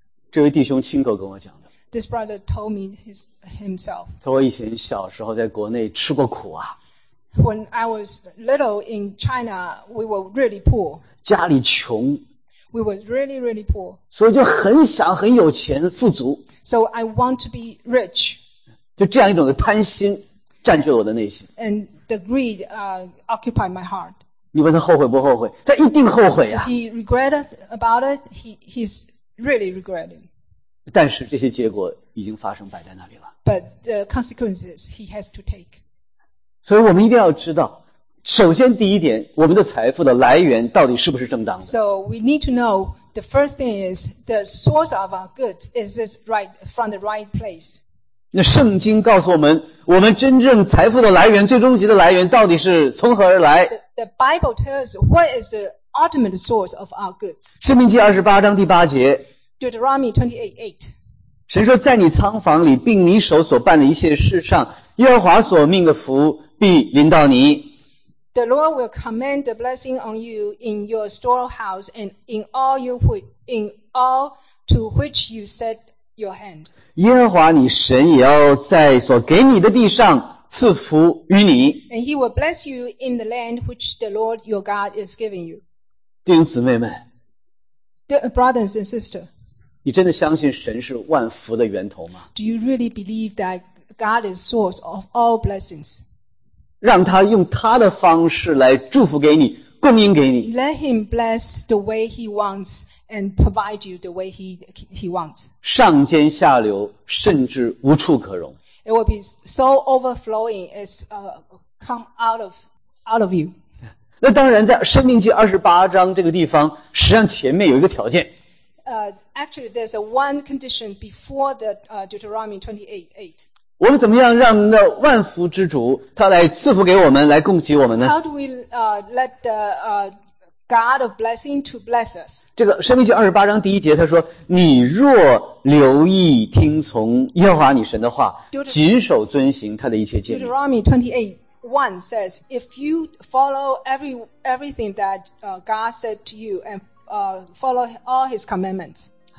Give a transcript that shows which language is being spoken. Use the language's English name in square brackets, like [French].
[Chinese] 这位弟兄亲口跟我讲的。 [English] This brother told me himself. [Chinese] 他说以前小时候在国内吃过苦啊。 [English] When I was little in China, we were really poor. [Chinese] 家里穷。 [English] We were really, really poor. [Chinese] 所以就很想很有钱富足。 [English] So I want to be rich. [Chinese] 就这样一种的贪心占据了我的内心。 [English] And the greed occupied my heart. [Chinese] 你问他后悔不后悔？他一定后悔啊。 [English] Is he regretted about it? He's really regretting. [Chinese] 但是这些结果已经发生摆在那里了。 [English] But the consequences he has to take. [Chinese] 所以我们一定要知道，首先第一点，我们的财富的来源到底是不是正当的。 [English] So we need to know the first thing is the source of our goods is this right from the right place. [Chinese] 那圣经告诉我们，我们真正财富的来源，最终极的来源到底是从何而来？ [English] The Bible tells what is the ultimate source of our goods. [Chinese] 申命记28章第8节。 [English] Deuteronomy 28:8. [Chinese] 神说在你仓房里并你手所办的一切事上耶和华所命的福必临到你。 [English] The Lord will command the blessing on you in your storehouse and in all to which you set your hand. [Chinese] 耶和华你神也要在所给你的地上赐福于你。 [English] And he will bless you in the land which the Lord your God is giving you. [Chinese] 弟兄姊妹们。 [English] Brothers and sisters. [Chinese] 你真的相信神是万福的源头吗？ [English] Do you really believe that God is source of all blessings? [Chinese] 让他用他的方式来祝福给你，供应给你。 [English] Let him bless the way he wants and provide you the way he wants. [Chinese] 上尖下流，甚至无处可容。 [English] It will be so overflowing as come out of you. [Chinese] 那当然，在申命记28章这个地方，实际上前面有一个条件。 [English] Actually, there's a one condition before the Deuteronomy 28:8. [Chinese] 我们怎么样让那万福之主他来赐福给我们，来供给我们呢 [English] ？How do we let the God of blessing to bless us? [Chinese] 这个申命记28章第一节他说：“你若留意听从耶和华你神的话，谨守遵行他的一切诫命。” [English] Deuteronomy 28:1 says, "If you follow everything that God said to you and follow all his commandments.